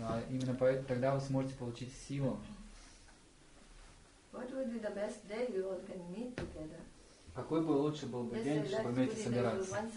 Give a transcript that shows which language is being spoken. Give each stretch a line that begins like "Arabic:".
Russian: Именно поэтому тогда вы сможете получить силу.
English: What would be the best day you all can meet together?
Russian: Какой бы лучше был бы день, чтобы вместе собираться?